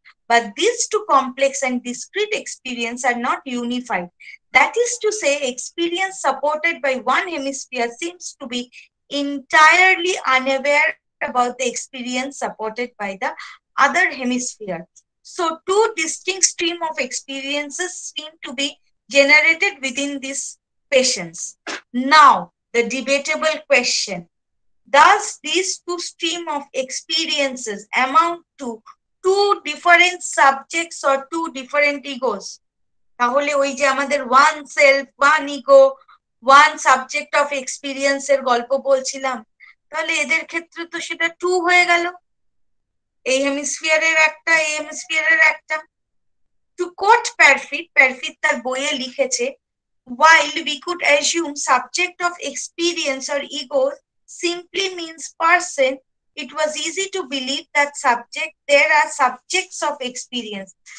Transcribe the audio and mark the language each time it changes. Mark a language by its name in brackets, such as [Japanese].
[English] But this two complex and discrete experience are not unified, that is to say experience supported by one hemisphere seems to be entirely unaware about the experience supported by the other hemisphere. So two distinct stream of experiences seem to be generated within this patients. Now, the debatable question, does these two stream of experiences amount to two different subjects or two different egos? [Bangla] তাহলে ওই যে আমাদের [English] one self, one ego, one subject of experience [Bangla] এর গল্প বলছিলাম, তাহলে এদের ক্ষেত্রে তো সেটা two হয়ে গেল, এই হেমিস্ফিয়ারের একটা এই হেমিস্ফিয়ারের একটা। [English] to quote Parfit, Parfit [Bangla] তার বইয়ে লিখেছে, [English] while we could assume subject of experience or ego simply means person, it was easy to believe that subject there are subjects of experience,